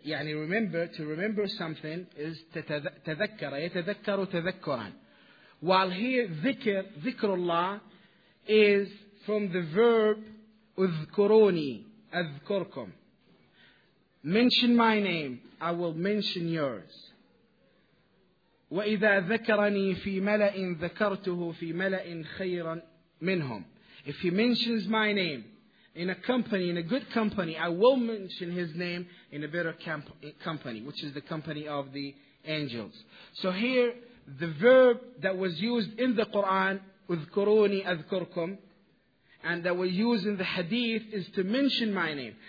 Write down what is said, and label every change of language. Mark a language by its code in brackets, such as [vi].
[ar] يعني [en] remember, to remember something is تذكر. [ar] يتذكر. تذكر. [en] While here, ذكر. ذكر الله is from the verb [ar] اذكروني, اذكركم. [en] Mention my name, I will mention yours. [ar] وإذا ذكرني في ملأ ذكرته في ملأ خيرا منهم. [en] If he mentions my name in a company, in a good company, I will mention his name in a better company, which is the company of the angels. So here, the verb that was used in the Quran, [ar] اذكروني اذكركم, [en] and that we use in the hadith, is to mention my name.